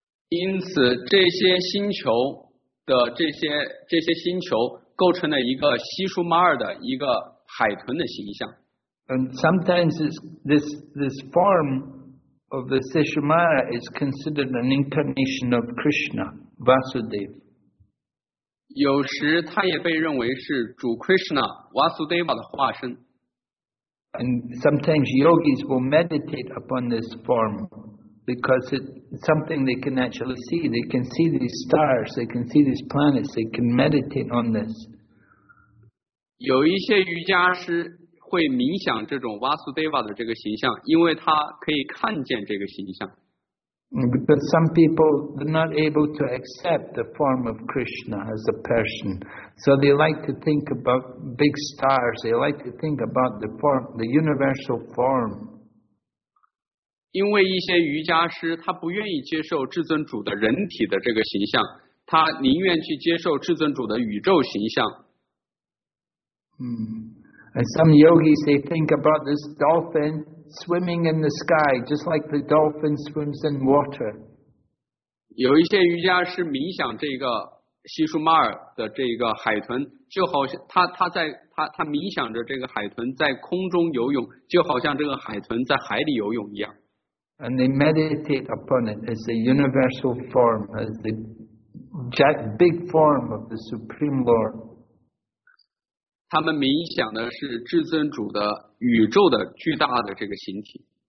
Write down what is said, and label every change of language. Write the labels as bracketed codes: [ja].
[zh] 因此，这些星球的这些星球构成了一个西舒马尔的一个海豚的形象。 [en] And sometimes this form of the Sishumara is considered an incarnation of Krishna, Vasudev. [zh] 有时，它也被认为是主 Krishna Vasudeva 的化身。 [en] And sometimes yogis will meditate upon this form because it's something they can actually see. They can see these stars, they can see these planets, they can meditate on this. [zh] 有一些瑜伽师会冥想这种 Vasudeva 的这个形象，因为他可以看见这个形象。 [en] But some people are not able to accept the form of Krishna as a person. So they like to think about big stars. They like to think about the form, the universal form. [zh] 因为一些瑜伽师他不愿意接受至尊主的人体的这个形象，他宁愿去接受至尊主的宇宙形象。 [en] And some yogis, they think about this dolphin. Swimming in the sky, just like the dolphin swims in water. [zh] 有一些瑜伽师冥想这个西舒马尔的这个海豚，就好像他冥想着这个海豚在空中游泳，就好像这个海豚在海里游泳一样。 [en] And they meditate upon it as a universal form, as the big form of the Supreme Lord. [zh] 他们冥想的是至尊主的。宇宙的巨大的这个形体。